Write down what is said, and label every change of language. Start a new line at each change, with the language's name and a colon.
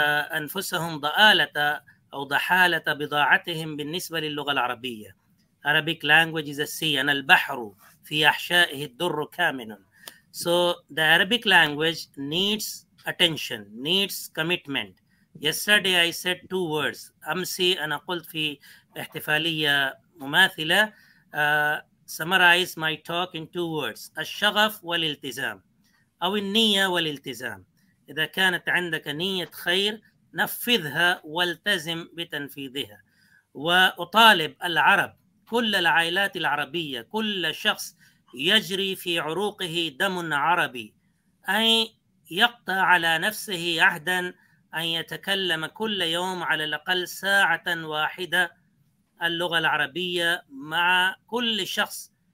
Arabic: أنفسهم ضآلة أو ضحالة بضاعتهم بالنسبة للغة العربية
English: Arabic language is a sea and
Arabic: البحر في أحشائه الدر كامن
English: So the Arabic language needs attention, needs commitment Yesterday I said two words.
Arabic: أمسي أنا قلت في احتفالية مماثلة
English: summarize my talk in two words.
Arabic: الشغف والالتزام أو النية والالتزام. إذا كانت عندك نية خير نفذها والتزم بتنفيذها. وأطالب العرب كل العائلات العربية كل شخص يجري في عروقه دم عربي أي يقطع على نفسه عهداً أن يتكلم كل يوم على الأقل ساعة واحدة اللغة العربية مع كل شخص